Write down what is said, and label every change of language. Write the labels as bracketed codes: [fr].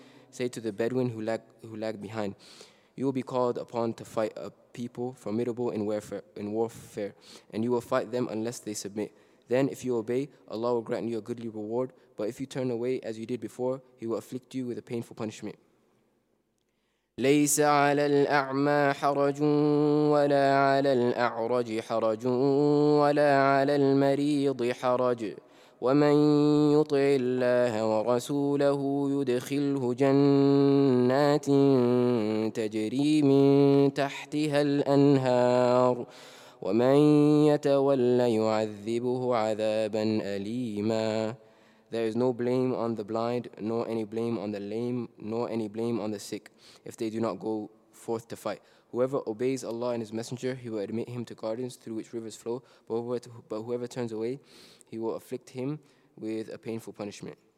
[en] Say to the Bedouin who lagged behind, you will be called upon to fight a people formidable in warfare, and you will fight them unless they submit. Then if you obey, Allah will grant you a goodly reward, but if you turn away as you did before, He will afflict you with a painful punishment. [ar] ليس على الأعمى حرج ولا على الأعرج حرج ولا على المريض حرج ومن يطع الله ورسوله يدخله جنات تجري من تحتها الأنهار ومن يتولى يعذبه عذابا أليما. [en] There is no blame on the blind, nor any blame on the lame, nor any blame on the sick, if they do not go forth to fight. Whoever obeys Allah and His Messenger, He will admit him to gardens through which rivers flow, but whoever turns away, He will afflict him with a painful punishment.